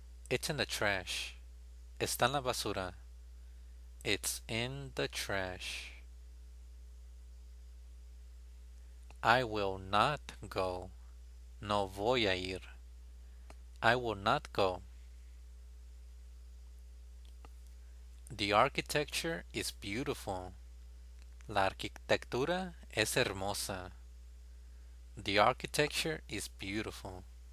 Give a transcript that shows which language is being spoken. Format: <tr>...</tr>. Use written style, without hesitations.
<en>It's in the trash.</en> <es>Está en la basura.</es> <en>It's in the trash. I will not go.</en> <es>No voy a ir.</es> <en>I will not go. The architecture is beautiful.</en> <es>La arquitectura es hermosa.</es> <en>The architecture is beautiful.</en>